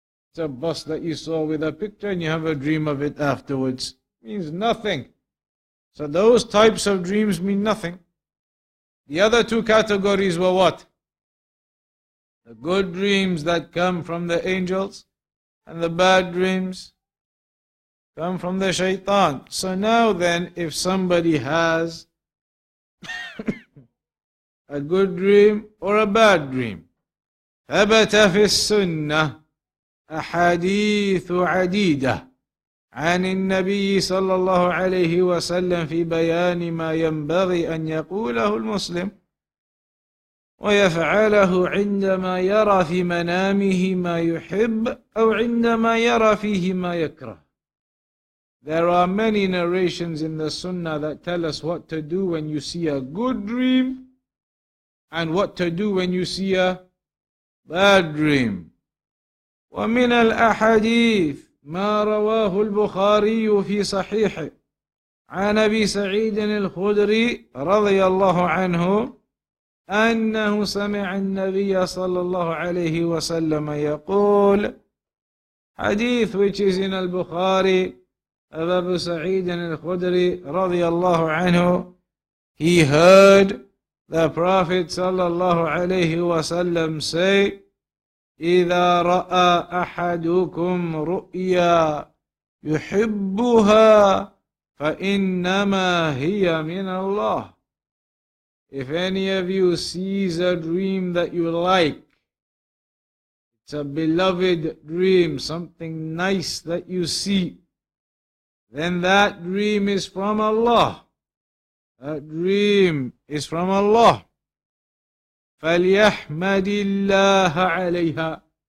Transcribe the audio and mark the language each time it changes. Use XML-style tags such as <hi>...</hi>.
<en>It's a bus that you saw with a picture, and you have a dream of it afterwards. It means nothing. So those types of dreams mean nothing. The other two categories were what? The good dreams that come from the angels, and the bad dreams come from the shaitan. So now then, if somebody has a good dream or a bad dream,</en> <ar>ثبت في السنة أحاديث عديدة عن النبي صلى الله عليه وسلم في بيان ما ينبغي أن يقوله المسلم ويفعله عندما يرى في منامه ما يحب أو عندما يرى فيه ما يكره.</ar> <en>There are many narrations in the Sunnah that tell us what to do when you see a good dream and what to do when you see a bad dream.</en> <ar>ومن الأحاديث ما رواه البخاري في صحيحه عن أبي سعيد الخدري رضي الله عنه أنه سمع النبي صلى الله عليه وسلم يقول حديث</ar> <en>which is in</en> <ar>البخاري أبو سعيد الخدري رضي الله عنه</ar> <en>he heard the prophet</en> <ar>صلى الله عليه وسلم</ar> <en>say</en> <ar>إذا رأى أحدكم رؤيا يحبها فإنما هي من الله.</ar> <en>If any of you sees a dream that you like, it's a beloved dream, something nice that you see, then that dream is from Allah. That dream is from Allah.</en> <ar>فَلْيَحْمَدِ اللَّهَ عَلَيْهَا.</ar>